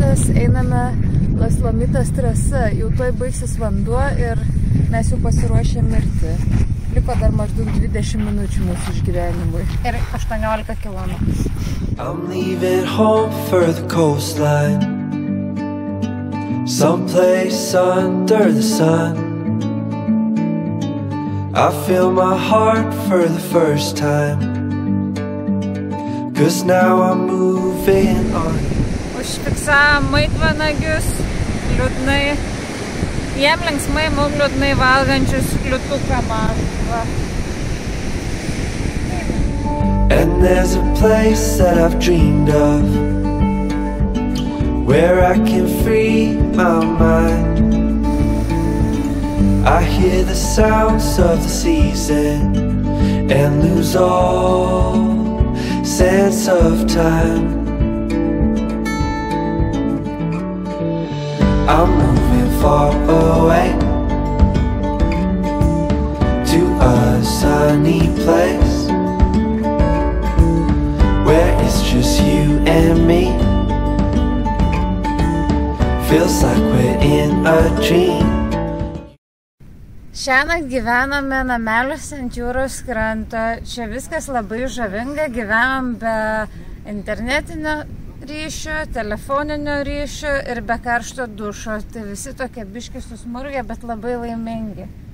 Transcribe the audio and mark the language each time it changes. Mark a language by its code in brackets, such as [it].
[lt] Einame Las Lomitas trasa, jau tuoj baigsis vanduo ir mes jau pasiruošę mirti. Liko dar maždaug 20 minučių mūsų išgyvenimui. Ir 18 kilometrų. [en] I'm leaving home for the coastline. Someplace under the sun. I feel my heart for the first time. Cause now I'm moving on. [lt] Užfiksavom maitvanagius, liūdnai. [en] Jiem linksmai, mums liūdnai valgančius liūtuką man. And there's a place that I've dreamed of where I can free my mind. I hear the sounds of the season and lose all sense of time. I'm moving far away to a sunny place where it's just you and me. Feels like we're in a dream. [lt] Šiąnakt gyvename nameliuose ant jūros kranto. Čia viskas labai žavinga. Gyvenam be internetinio ryšio, telefoninio ryšio ir be karšto dušo. Tai visi tokie biški susmurgė, bet labai laimingi.